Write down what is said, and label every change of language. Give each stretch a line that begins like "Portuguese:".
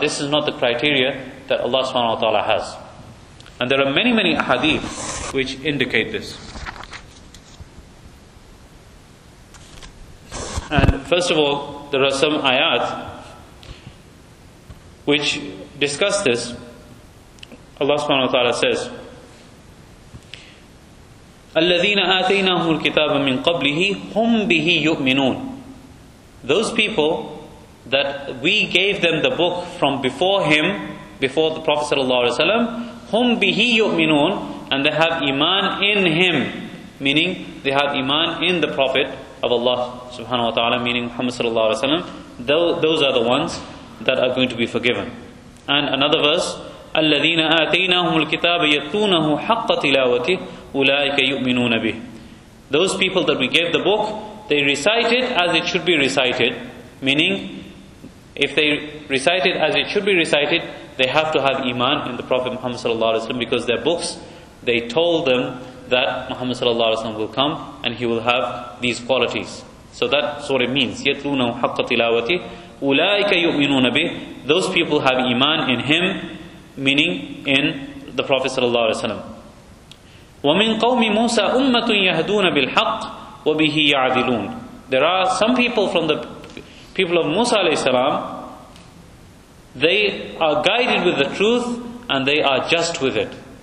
English: This is not the criteria that Allah subhanahu wa ta'ala has. And there are many, many hadith which indicate this. And first of all, there are some ayat which discuss this. Allah subhanahu wa ta'ala says,
Arabic: الَّذِينَ آتَيْنَاهُ الْكِتَابَ مِنْ قَبْلِهِ هُمْ بِهِ يُؤْمِنُونَ.
English: Those people that we gave them the book from before him, before the Prophet sallallahu alaihi wasallam,
Arabic: هُمْ بِهِ يُؤْمِنُونَ,
English: and they have iman in him, meaning they have iman in the Prophet of Allah subhanahu wa ta'ala, meaning Muhammad sallallahu alaihi wasallam. Those are the ones that are going to be forgiven. And another verse,
Arabic: الَّذِينَ آتَيْنَاهُمُ الْكِتَابَ يَتُونَهُ حَقَّ تِلَاوَتِهِ أُولَٰئِكَ يُؤْمِنُونَ بِهِ.
English: Those people that we gave the book, they recite it as it should be recited, meaning if they recite it as it should be recited, they have to have iman in the Prophet Muhammad sallallahu alaihi wasallam, because their books, they told them that Muhammad sallallahu alaihi wasallam will come and he will have these qualities. So that's what it means,
Arabic: يَتُونَهُ حَقَّ تِلَاوَتِهِ أُولَٰئِكَ يُؤْمِنُونَ بِهِ.
English: Those people have iman in him, meaning in the Prophet sallallahu alaihi wasallam.
Arabic: وَمِنْ قَوْمِ مُوسَىٰ أُمَّةٌ يَهْدُونَ بِالْحَقِّ وَبِهِ يَعْدِلُونَ.
English: There are some people from the people of Musa alayhi salam, they are guided with the truth and they are just with it.